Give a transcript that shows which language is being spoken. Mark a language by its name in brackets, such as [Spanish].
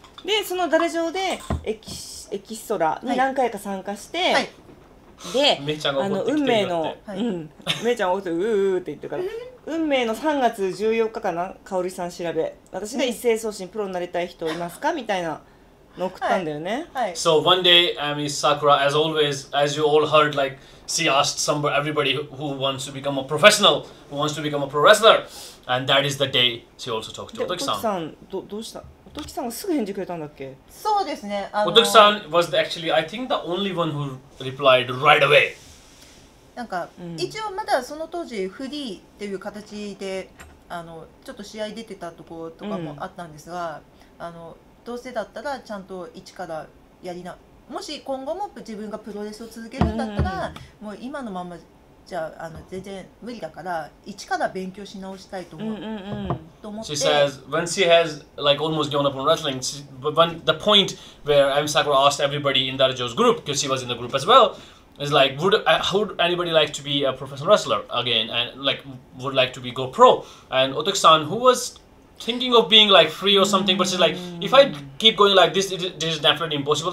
[Japanese] で、そのダレ上でエキストラに何回か参加して、はい、で、あの運命の、はい、うん、Mei-chan が起こってううって言ってから。運命の3月14日かな、かおりさん調べ。私が一斉送信プロになりたい人いますかみたいな。送ったんだよね、はいはい、 [English] So one day, Miss Sakura, as always, as you all heard, like, she asked somebody, everybody who wants to become a professional, who wants to become a pro wrestler, and that is the day she also talked to Otoki-san. [Japanese] Otoki-san, どうした？Otoki-san がすぐ返事くれたんだっけ？そうですね、 [English] Otoki-san was actually, I think, the only one who replied right away. [Japanese] なんか、一応まだその当時、フリーっていう形で、あの、ちょっと試合出てたところとかもあったんですが、あの、どうせだったらちゃんと一からやりな、もし今後も自分がプロレスを続けるんだったら、もう今のままじゃあ、あの、全然無理だから一から勉強し直したいと思う、と思って。 [English] She says when she has like almost given up on wrestling, she, when the point where Ami Sakura asked everybody in Darajo's group, because she was in the group as well, is like would anybody like to be a professional wrestler again and like would like to be go pro? And Otoki-san who wasThinking of being like free or something, but she's like, if I keep going like this, it is definitely impossible.